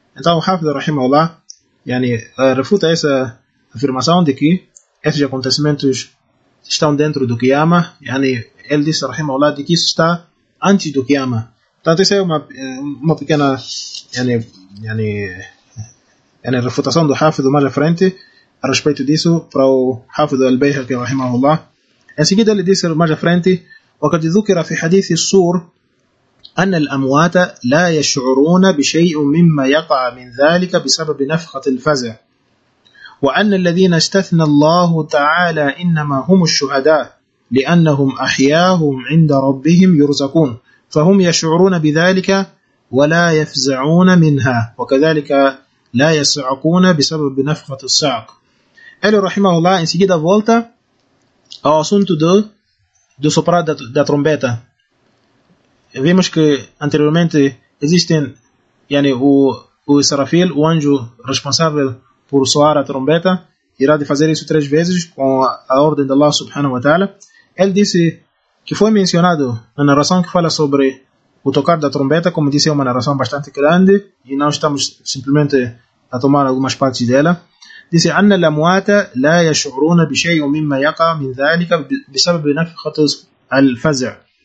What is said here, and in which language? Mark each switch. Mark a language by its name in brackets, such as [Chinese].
[Portuguese] Então o Hafid rahimahullah yani refuta essa afirmação de que esses acontecimentos estão dentro do Qiyama, yani ele diz rahimahullah de que isso está antes do Qiyama. Então, isso é uma pequena yani refutação do Hafid mais à frente a respeito disso para o Hafid al-Bayhaqi rahimahullah. Em seguida, ele disse mais à frente: [Arabic] وقد ذكر في حديث السور أن الأموات لا يشعرون بشيء مما يقع من ذلك بسبب نفخة الفزع، وأن الذين استثنى الله تعالى إنما هم الشهداء لأنهم أحياهم عند ربهم يرزقون، فهم يشعرون بذلك ولا يفزعون منها، وكذلك لا يصعقون بسبب نفخة الصعق. قال رحمه الله إن سجد فولتا ao assunto do soprar da trombeta. [Portuguese] Vimos que anteriormente existem yani, o Serafil, o anjo responsável por soar a trombeta, irá de fazer isso três vezes com a ordem de Allah subhanahu wa ta'ala. Ele disse que foi mencionado na narração que fala sobre o tocar da trombeta, como disse, é uma narração bastante grande e não estamos simplesmente a tomar algumas partes dela. [Arabic] Disse: أن الأموات لا يشعرون بشيء مما يقع من ذلك بسبب نفخة الفزع.